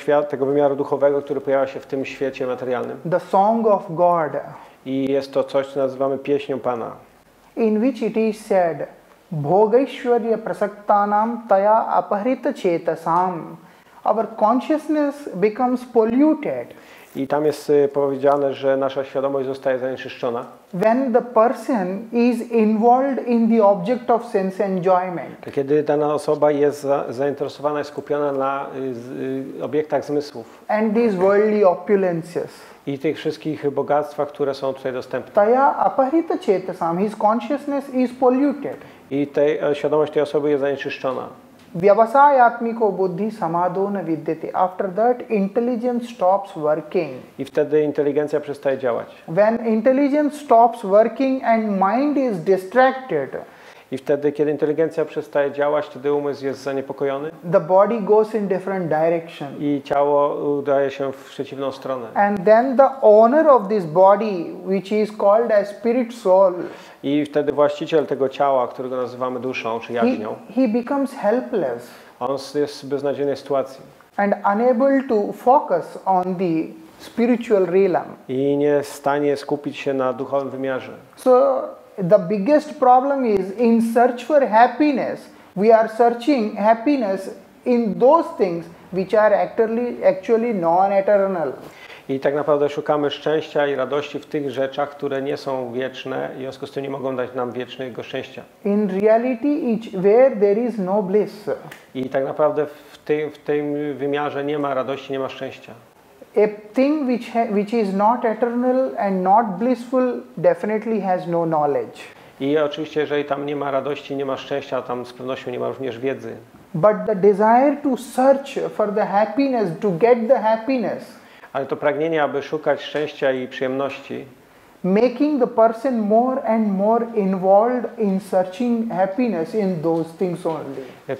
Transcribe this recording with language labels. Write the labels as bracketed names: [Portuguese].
[Polish] Tego wymiaru duchowego, który pojawia się w tym świecie materialnym. [English] The song of God. [Polish] I jest to coś, co nazywamy pieśnią Pana. [English] In which it is said, [Sanskrit] Bhogaishwarya prasaktanam taya aparita chetasam. [English] Our consciousness becomes polluted. [Polish] I tam jest powiedziane, że nasza świadomość zostaje zanieczyszczona. [English] When the person is involved in the object of sense enjoyment. [Polish] Kiedy dana osoba jest zainteresowana, skupiona na obiektach zmysłów. [English] And these worldly opulences. [Polish] I tych wszystkich bogactwach, które są tutaj dostępne. [Sanskrit] Taya aparita chetasam, [English] his consciousness is polluted. [Polish] I tej świadomość tej osoby jest zanieczyszczona. [Sanskrit] Vyavasayatmiko buddhi samadona vidyate. [English] After that intelligence stops working. [Polish] I wtedy inteligencja przestaje działać. [English] When intelligence stops working and mind is distracted. [Polish] I wtedy kiedy inteligencja przestaje działać, wtedy umysł jest zaniepokojony. [English] The body goes in different direction. [Polish] I ciało udaje się w przeciwną stronę. [English] And then the owner of this body, which is called as spirit soul. [Polish] I wtedy właściciel tego ciała, którego nazywamy duszą czy jaźnią. [English] He becomes helpless. [Polish] On jest w beznadziejnej sytuacji. [English] And unable to focus on the spiritual realm. [Polish] I nie w stanie skupić się na duchowym wymiarze. [English] So the biggest problem is in search for happiness. We are searching happiness in those things which are actually non-eternal. [Polish] I tak naprawdę szukamy szczęścia i radości w tych rzeczach, które nie są wieczne i w związku z tym nie mogą dać nam wiecznego szczęścia. [English] In reality, it's where there is no bliss. [Polish] I tak naprawdę w tym wymiarze nie ma radości, nie ma szczęścia. [English] A thing which is not eternal and not blissful definitely has no knowledge. [Polish] I oczywiście, jeżeli tam nie ma radości, nie ma szczęścia, tam z pewnością nie ma również wiedzy. [English] But the desire to search for the happiness, to get the happiness. [Polish] Ale to pragnienie, aby szukać szczęścia i przyjemności. [English] Making the person more and more involved in searching happiness in those things only.